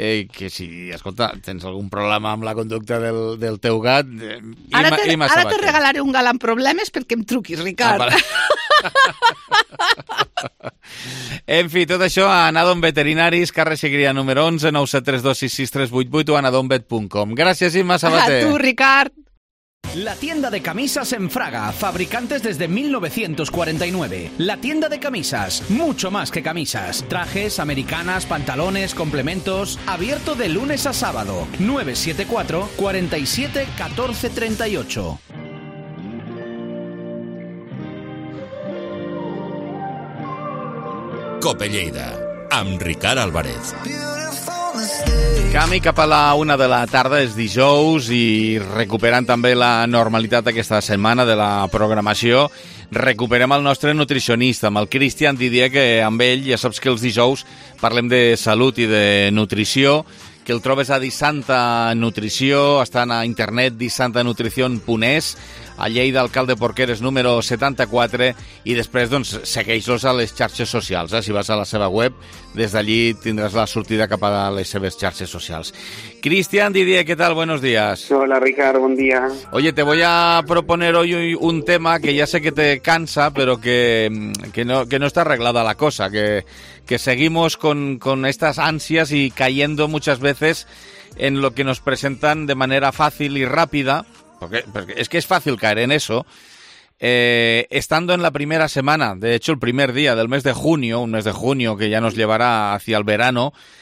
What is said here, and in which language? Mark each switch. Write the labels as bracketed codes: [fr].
[ca] Que si, escolta, tens algun problema amb la conducta del, del teu gat... ara te regalaré un galant problemes perquè em truquis, Ricard. Ah, en fi, tot això a Anadon Veterinaris, carrer Segrià número 11, 973-266-388 o anadonvet.com. Gràcies, Imma Sabater. A tu, Ricard. [es] La tienda de camisas en Fraga, fabricantes desde 1949. La tienda de camisas, mucho más que camisas. Trajes, americanas, pantalones, complementos. Abierto de lunes a sábado, 974-47-1438. [ca] Cope Lleida, amb Ricard Álvarez. Camí cap a la una de la tarda, és dijous, i recuperant també la normalitat aquesta setmana de la programació, recuperem el nostre nutricionista, amb el Cristian Didier, que amb ell, ja saps que els dijous parlem de salut i de nutrició, que el trobes a Disanta Nutrició, estan a internet disantanutricion.es, a Lleida, alcalde Porqueres, número 74, i després doncs, segueix-los a les xarxes socials. Si vas a la seva web, des d'allí tindràs la sortida cap a les seves xarxes socials. Cristian Didier, què tal? [es] Buenos días. [ca] Hola, Ricard, bon dia. [es] Oye, te voy a proponer hoy un tema que ya sé que te cansa, pero que no está arreglada la cosa, que seguimos con estas ansias y cayendo muchas veces en lo que nos presentan de manera fácil y rápida, porque es que es fácil caer en eso, estando en la primera semana, de hecho el primer día del mes de junio, un mes de junio que ya nos llevará hacia el verano,